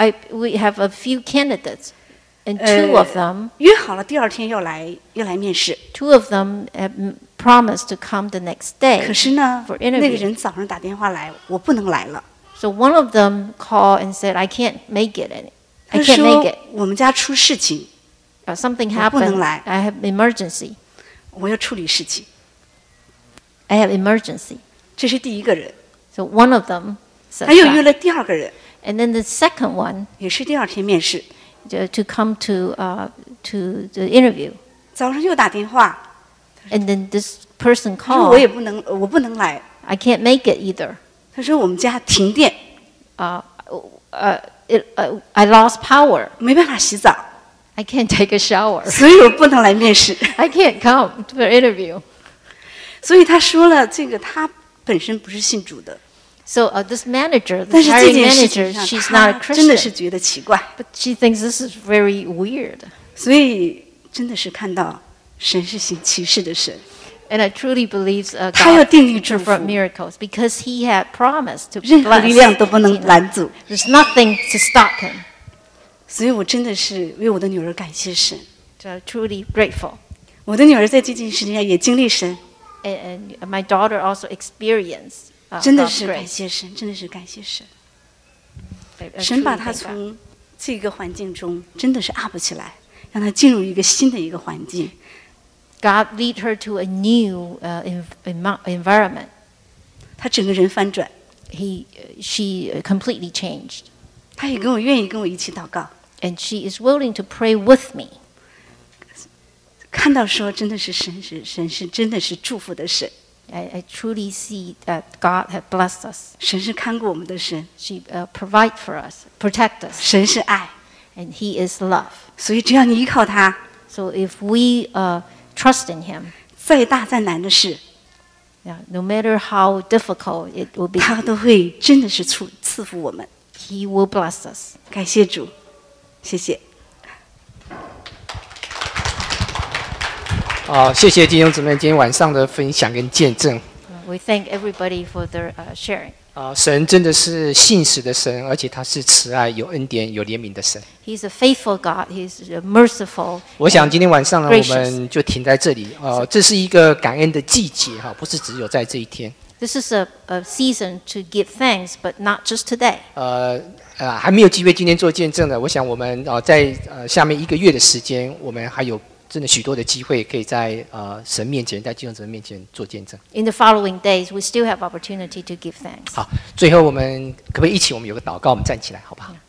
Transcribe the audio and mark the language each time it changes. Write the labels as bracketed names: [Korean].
[English] We have a few candidates, and two of them [Chinese] 约好了第二天要来面试。 [English] Two of them promised to come the next day. [Chinese] 可是呢，那个人早上打电话来，我不能来了。 [English] So one of them called and said, "I can't make it. I can't make it." [Chinese] 我们家出事情。 [English] Something happened. I have emergency. [Chinese] 我要处理事情。 [English] I have emergency. [Chinese] 这是第一个人。 [English] So one of them said. [Chinese] 他又约了第二个人。 [English] And then the second one [Chinese] 也是第二天面试 [English] to come to the interview. [Chinese] 早上又打电话 [English] And then this person called. [Chinese] 他说我也不能，我不能来。 [English] I can't make it either. [Chinese] 他说我们家停电。 [English] I lost power. [Chinese] 没办法洗澡。 [English] I can't take a shower. [Chinese] 所以我不能来面试。 [English] I can't come to the interview. [Chinese] 所以他说了这个，他本身不是信主的。 [English] So this manager, the hiring manager, she's not a Christian. [Chinese] 真的是觉得奇怪。 [English] But she thinks this is very weird. [Chinese] 所以真的是看到神是行奇事的神。 [English] And I truly believe God performs miracles because he had promised to bless. [Chinese] 任何力量都不能拦阻。 [English] There's nothing to stop him. [Chinese] 所以我真的是为我的女儿感谢神。 [English] So truly grateful. [Chinese] 我的女儿在这件事情上也经历神。 [English] And my daughter also experienced God's grace. [Chinese] 真的是感谢神，真的是感谢神。神把她从这个环境中真的是 up 起来，让她进入一个新的一个环境。 [English] God lead her to a new environment. [Chinese] 她整个人翻转。 [English] She completely changed. [Chinese] 她也跟我愿意跟我一起祷告。 [English] And she is willing to pray with me. [Chinese] 看到说真的是神是真的是祝福的神。 [English] I truly see that God has blessed us. [Chinese] 神是看顾我们的神。 [English] She provide for us, protect us. [Chinese] 神是爱。 [English] And he is love. [Chinese] 所以只要你依靠他。 [English] So if we trust in him. [Chinese] 再大再难的事。 [English] Yeah, no matter how difficult it will be. [Chinese] 他都会真的是赐福我们。 [English] He will bless us. [Chinese] 感谢主。谢谢。谢谢弟兄姊妹今天晚上的分享跟见证。 [English] We thank everybody for their sharing. [Chinese] 神真的是信实的神，而且他是慈爱、有恩典、有怜悯的神。 [English] He's a faithful God. He's a merciful. [Chinese] 我想今天晚上呢，我们就停在这里。这是一个感恩的季节哈，不是只有在这一天。 [English] This is a season to give thanks, but not just today. [Chinese] 还没有机会今天做见证的，我想我们在下面一个月的时间，我们还有。真的许多的机会可以在神面前，在弟兄姊妹面前做见证。 [English] In the following days, we still have opportunity to give thanks. [Chinese] 好，最后我们可不可以一起，我们有个祷告，我们站起来，好不好